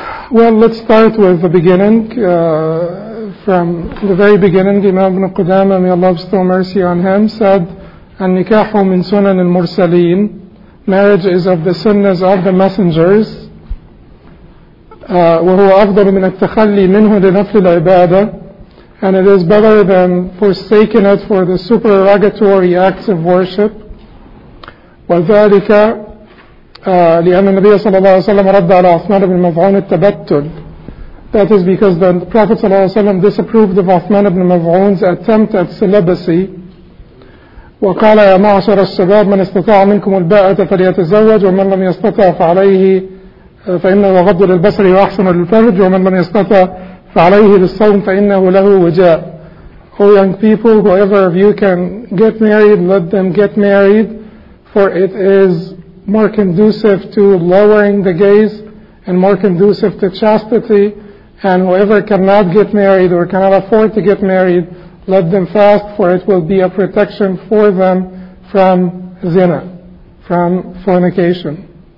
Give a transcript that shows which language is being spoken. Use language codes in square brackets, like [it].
[en] Well, let's start with the beginning. From the very beginning, Imam Ibn Qudama, may Allah bestow mercy on him, said, [ar] "An-nikahu min sunan al-mursaleen." [en] Marriage is of the sunnas of the messengers. [ar] وهو أفضل من التخلي منه لنفل العبادة. [en] And it is better than forsaking it for the supererogatory acts of worship. [ar] وذلك لأن النبي صلى الله عليه وسلم رد على عثمان بن مظعون التبتل. [en] That is because the Prophet صلى الله عليه وسلم disapproved of Uthman ibn Maz'un's attempt at celibacy. [ar] وقال يا معشر الشباب من استطاع منكم الباءة فليتزوج ومن لم يستطع فعليه فإنه غض للبصر وأحسن للفرج ومن لم يستطع ف فعليه بالصوم فإنه له وجاء. [en] Oh young people, whoever of you can get married, let them get married, for it is more conducive to lowering the gaze and more conducive to chastity. And whoever cannot get married or cannot afford to get married, let them fast, for it will be a protection for them from zina, from fornication.